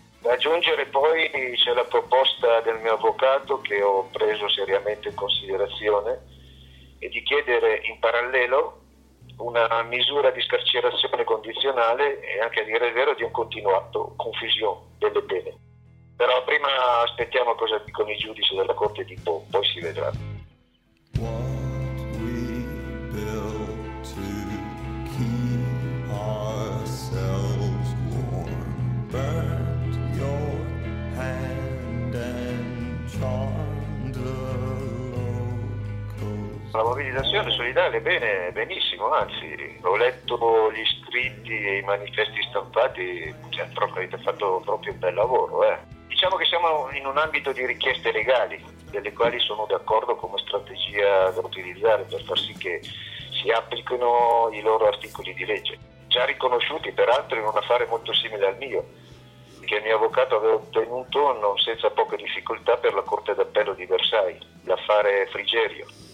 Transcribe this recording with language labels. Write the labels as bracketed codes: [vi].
[it] Da aggiungere poi c'è la proposta del mio avvocato, che ho preso seriamente in considerazione, e di chiedere in parallelo una misura di scarcerazione condizionale e anche, a dire il vero, di un continuato confusione delle pene. Però prima aspettiamo cosa dicono i giudici della Corte di Pau, poi si vedrà. [en] What we built to keep ourselves warm, burnt your hand and charmed the locals. [it] La mobilitazione solidale, bene, benissimo, anzi, ho letto gli scritti e i manifesti stampati, avete fatto proprio un bel lavoro, Diciamo che siamo in un ambito di richieste legali, delle quali sono d'accordo come strategia da utilizzare per far sì che si applichino i loro articoli di legge, già riconosciuti peraltro in un affare molto simile al mio, che il mio avvocato aveva ottenuto non senza poche difficoltà per la Corte d'Appello di Versailles, l'affare Frigerio.